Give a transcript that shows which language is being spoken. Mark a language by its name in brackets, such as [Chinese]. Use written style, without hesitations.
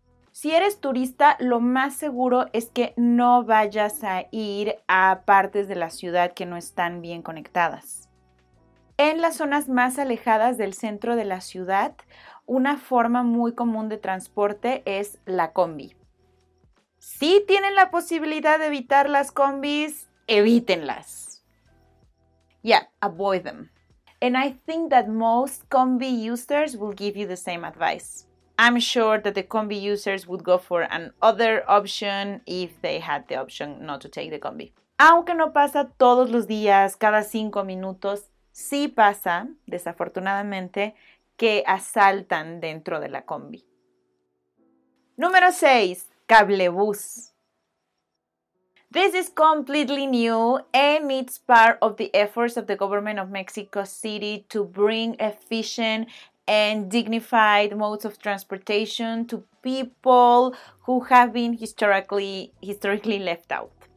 [Spanish] Si eres turista, lo más seguro es que no vayas a ir a partes de la ciudad que no están bien conectadas. En las zonas más alejadas del centro de la ciudad, una forma muy común de transporte es la combi. Si tienen la posibilidad de evitar las combis, evítenlas. [English] Yeah, avoid them. And I think that most combi users will give you the same advice. I'm sure that the combi users would go for another option if they had the option not to take the combi. [Spanish] Aunque no pasa todos los días, cada 5 minutos, sí pasa, desafortunadamente, que asaltan dentro de la combi. Número 6. Cablebus. [English] This is completely new and it's part of the efforts of the government of Mexico City to bring efficient and dignified modes of transportation to people who have been historically left out.